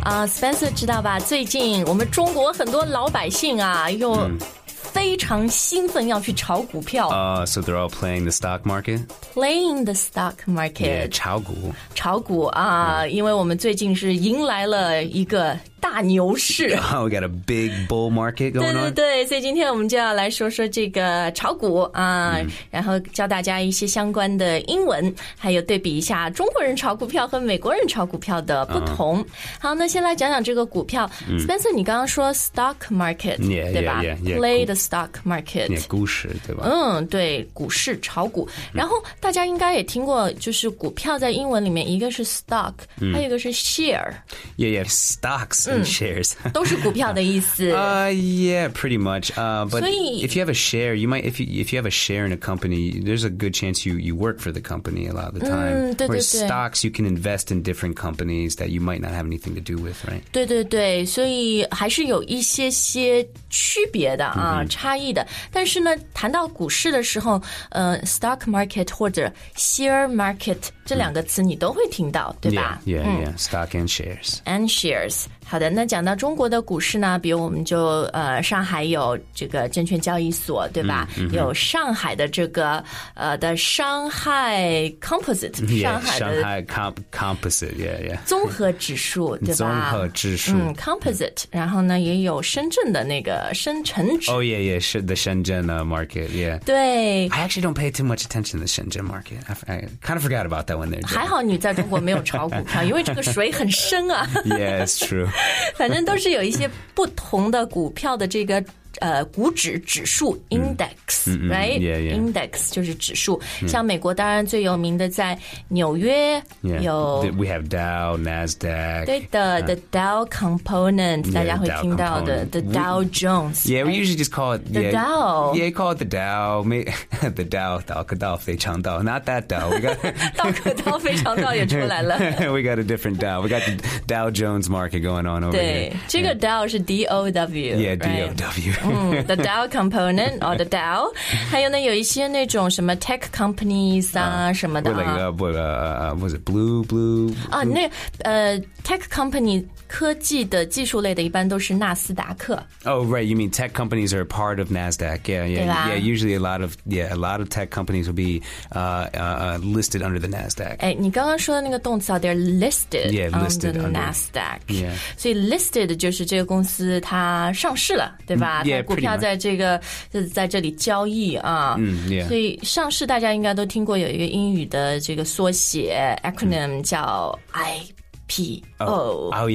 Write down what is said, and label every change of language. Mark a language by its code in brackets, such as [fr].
[zh] Spencer 知道吧？最近我们中国很多老百姓啊，又非常兴奋要去炒股票。 [en] So they're all playing the stock market? Playing the stock market. [zh] Yeah, 炒股。炒股啊、因为我们最近是迎来了一个大牛市。 [en] Oh, we got a big bull market going on. [zh] 对对对，所以今天我们就要来说说这个炒股啊、然后教大家一些相关的英文，还有对比一下中国人炒股票和美国人炒股票的不同。好，那先来讲讲这个股票。 Spencer, 你刚刚说 stock market, [en] yeah, [zh] 对吧 [en] yeah, the stock market. [zh] Yeah, 股市对吧对，股市炒股。然后大家应该也听过，就是股票在英文里面一个是 stock, 还有一个是 share. [en] Yeah, yeah, stocks and shares. [zh] 都是股票的意思。 [en] Yeah, pretty much. But if you have a share, if you have a share in a company, there's a good chance you work for the company a lot of the time. [zh] 对对对。 [en] Whereas stocks, you can invest in different companies that you might not have anything to do with, right? [zh] 对对对，所以还是有一些些区别的啊。差异的，但是呢，谈到股市的时候，stock market 或者 share market 这两个词你都会听到，对吧 [en] ？Yeah, stock and shares. And shares. [zh] 好的，那讲到中国的股市呢，比如我们就上海有这个证券交易所，对吧？有上海的这个的上海 composite，上海 composite，综合指数，对吧？综合指数， [en] composite。 [zh] 然后呢，也有深圳的那个深成指。 [en] Oh, yeah, yeah, the Shenzhen market, yeah. [zh] 对。 [en] I actually don't pay too much attention to the Shenzhen market. I kind of forgot about that one there. [zh] 还好你在中国没有炒股票，因为这个水很深啊。 [en] Yeah, it's true. [zh] 反正都是有一些不同的股票的这个股指指数 index, right? [en] Yeah, yeah. [zh] Index 就是指数。像美国当然最有名的在纽约有。 [en] Yeah, we have Dow, NASDAQ. [zh] 对的、the Dow component, 大家会听到的 [en] yeah, the Dow Jones. Yeah, we usually just call it the Dow. Yeah, call it the Dow. The Dow, [zh] 道可道非常道 [en] Not that Dow. We got, [zh] 道可道非常道也出来了。 [en] We got a different Dow. We got the Dow Jones market going on over [zh] 对这个 Dow 是 D-O-W. [en] Yeah, D-O-W. the Dow component or the Dow. [zh] 还有呢有一些那种什么 tech companies 啊、什么的、啊。 [en] Was it blue? [zh] 那tech company 科技的技术类的一般都是纳斯达克。 [en] Oh, right, you mean tech companies are a part of NASDAQ. Yeah, yeah. Yeah, usually a lot of tech companies will be listed under the NASDAQ. [zh] 哎你刚刚说的那个动词啊 [en] they're listed. Yeah, listed under NASDAQ. Yeah. [zh] 所以 listed 就是这个公司它上市了对吧、 [en] Yeah, [zh] 股票在这个在这里交易啊、 [en] yeah. [zh] 所以上市大家应该都听过有一个英语的这个缩写 acronym 叫 IPO